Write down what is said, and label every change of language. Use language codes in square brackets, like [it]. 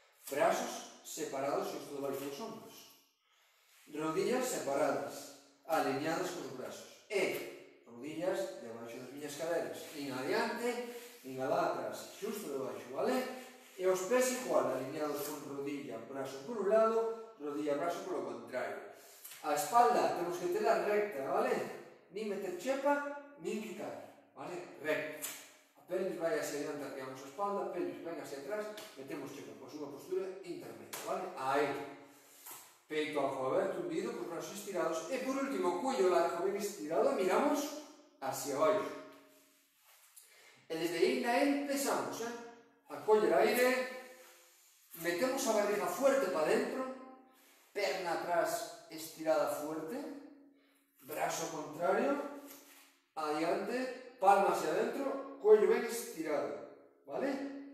[gl] Brazos separados, isto debaixo dos [es] hombros. Rodillas separadas. Alineadas [gl] con os brazos. E, [es] rodillas [gl] debaixo das miñas caderas. Nin adiante, nin alá atrás. Xusto debaixo, vale? E os pés igual, [es] alineados con rodilla, [gl] brazo por un lado, rodilla, brazo por o contrario. A espalda, temos que tela recta, vale? Nin meter chepa, nin quitar. Vale? Recta. A pelvis vai [es] hacia adiante, [gl] arqueamos a espalda, a pelvis vai [es] hacia atrás, [gl] metemos chepa, pois unha postura intermedia, vale? Aí. [es] Peito abajo aberto, hundido, con brazos estirados. E por último, cuello largo bien estirado, miramos hacia abajo. [gl] E [es] desde ahí empezamos, ¿eh? A coger aire, Metemos la barriga fuerte para adentro, perna atrás estirada fuerte, brazo contrario, adelante, palma hacia adentro, cuello bien estirado, ¿vale?